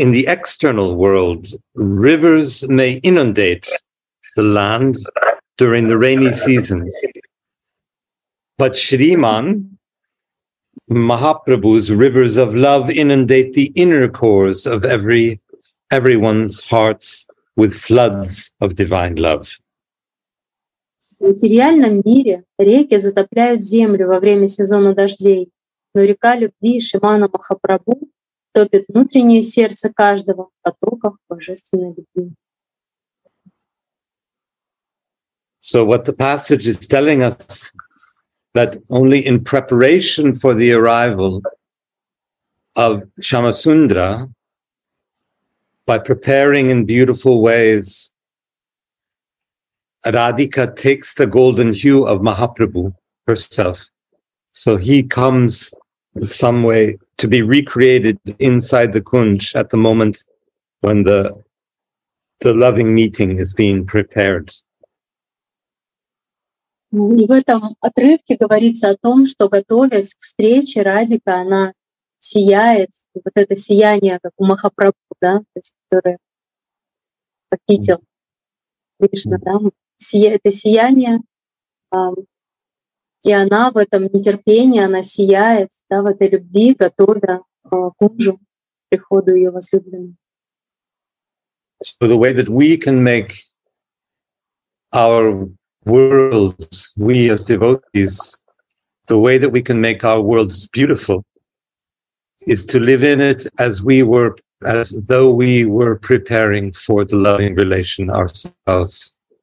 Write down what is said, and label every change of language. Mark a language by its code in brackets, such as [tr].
[en] In the external world, rivers may inundate the land during the rainy season. But Shriman Mahaprabhu's rivers of love inundate the inner cores of everyone's hearts with floods of divine love. [ru] В материальном мире реки затопляют землю во время сезона дождей, но река любви Шримана Махапрабху топит внутреннее сердце каждого в потоках божественной любви. [en] So what the passage is telling us that only in preparation for the arrival of Shamasundra, by preparing in beautiful ways, Radhika takes the golden hue of Mahaprabhu herself. So he comes some way to be recreated inside the kunj at the moment when the loving meeting is being prepared. [ru] И в этом отрывке говорится о том, что, готовясь к встрече, Радика, она сияет, вот это сияние, как у Махапрабху, да, который похитил Кришна, да, это сияние, и она в этом нетерпении, она сияет, да, в этой любви, готовя кунджу к приходу ее возлюбленного. [en] So the way that we can make our world, we as devotees, the way that we can make our world beautiful is to live in it as we were, as though we were preparing for the loving relation ourselves.